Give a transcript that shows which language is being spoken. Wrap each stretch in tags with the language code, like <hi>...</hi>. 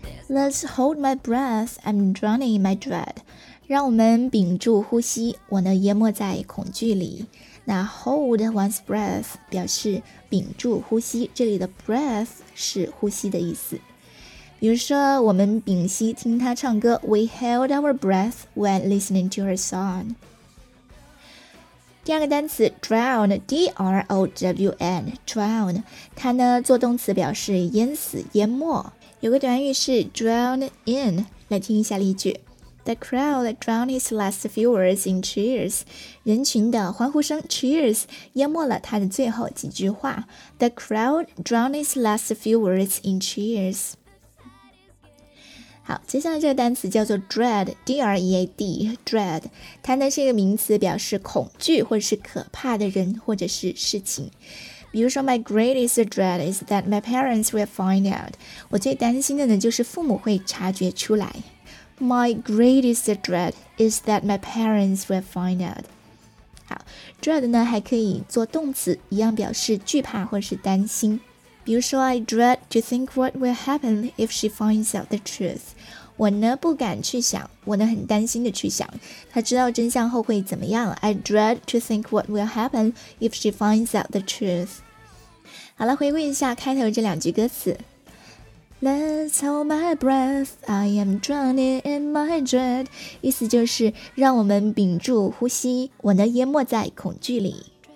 <en>Let's hold my breath, I'm drowning in my dread.</en> <zh>让我们屏住呼吸，我呢淹没在恐惧里。那 hold one's breath 表示屏住呼吸，这里的 breath 是呼吸的意思。比如说我们屏息听他唱歌，</zh> <en>We held our breath when listening to her song.</en> <zh>第二个单词 drown, D-R-O-W-N, drown, 它呢做动词表示淹死、淹没。有个短语是 drown in， 来听一下例句。</zh> <en>The crowd drowned his last few words in cheers.</en> <zh>人群的欢呼声 cheers 淹没了他的最后几句话。</zh> <en>The crowd drowned his last few words in cheers.</en> <zh>好，接下来这个单词叫做 dread, D-R-E-A-D, dread. 它呢是一个名词，表示恐惧或者是可怕的人或者是事情。比如说</zh> <en>my greatest dread is that my parents will find out.</en> <zh>我最担心的呢就是父母会察觉出来。</zh> <en>My greatest dread is that my parents will find out.</en> <zh>好， dread 呢还可以做动词，一样表示惧怕或是担心。比如说</zh> <en>I dread to think what will happen if she finds out the truth.</en> <zh>我呢不敢去想，我呢很担心的去想，她知道真相后会怎么样。</zh> <en>I dread to think what will happen if she finds out the truth.</en> <zh>好了，回顾一下开头这两句歌词。</zh> <en>Let's hold my breath, I am drowning in my dread.</en> <zh>意思就是让我们屏住呼吸，我呢淹没在恐惧里。</zh>